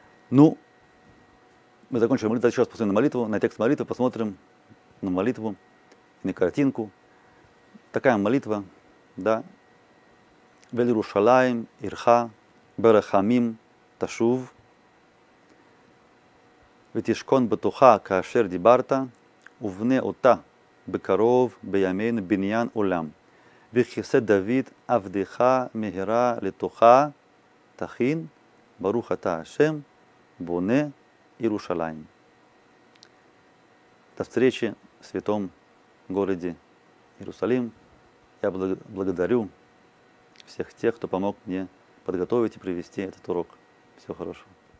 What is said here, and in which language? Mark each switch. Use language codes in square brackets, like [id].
[ru] Ну, мы закончим молитву, еще раз посмотрим на молитву, на текст молитвы, посмотрим на молитву, на картинку. Такая молитва, да. [he] Вель Иерушалаим, Ирха, Берахамим, Ташув. ותשכון בטוחה כאשר דיברת, ובנה אותה בקרוב בימינו בניין עולם. וכיסא דוד עבדך מהרה לתוכה, תכין, ברוך אתה השם, בונה ירושלים. [ru] До встречи в святом городе Иерусалим. Я благодарю всех тех, кто помог мне подготовить и привести этот урок. Всего хорошего.